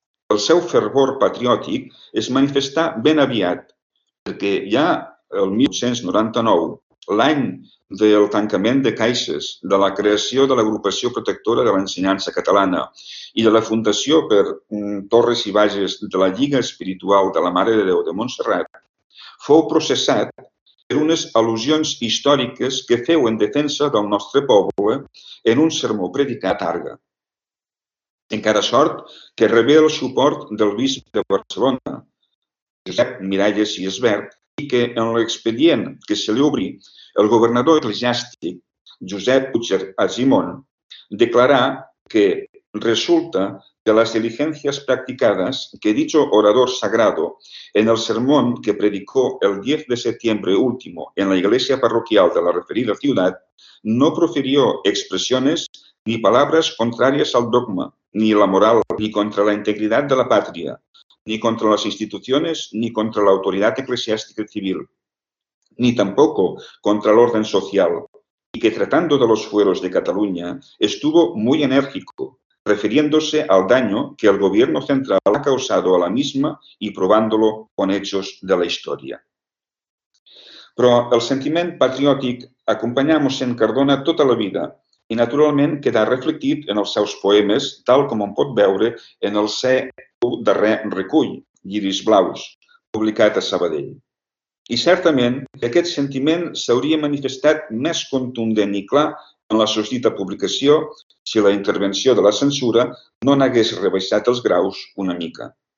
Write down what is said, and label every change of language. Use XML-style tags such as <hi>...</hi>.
<ca>El seu fervor patriòtic es manifestà ben aviat, perquè ja el 1899, l'any del tancament de caixes, de la creació de l'Agrupació Protectora de l'Ensenyança Catalana i de la Fundació per Torres i Bages de la Lliga Espiritual de la Mare de Déu de Montserrat, fou processat per unes al·lusions històriques que feu en defensa del nostre poble en un sermó predicat a Targa. Encara sort que rebé el suport del bisbe de Barcelona, Josep Miralles i Esbert, i que en l'expedient que se li obri el governador eclesiàstic Josep Utzer Agimon declarà que</ca> <es>resulta de las diligencias practicadas que dicho orador sagrado en el sermón que predicó el 10 de septiembre último en la iglesia parroquial de la referida ciudad, no profirió expresiones ni palabras contrarias al dogma, ni la moral, ni contra la integridad de la patria, ni contra las instituciones, ni contra la autoridad eclesiástica civil, ni tampoco contra el orden social, y que tratando de los fueros de Cataluña estuvo muy enérgico, refiriéndose al daño que el gobierno central ha causado a la misma y probándolo con hechos de la historia.</es> <ca>Però el sentiment patriòtic acompanyà mossèn Cardona tota la vida i naturalment queda reflectit en els seus poemes, tal com en pot veure en el seu darrer recull, Lliris Blaus, publicat a Sabadell. I certament aquest sentiment s'hauria manifestat més contundent i clar en la sortida publicació si la intervenció de la censura no n'hagués rebaixat els graus una mica.</ca>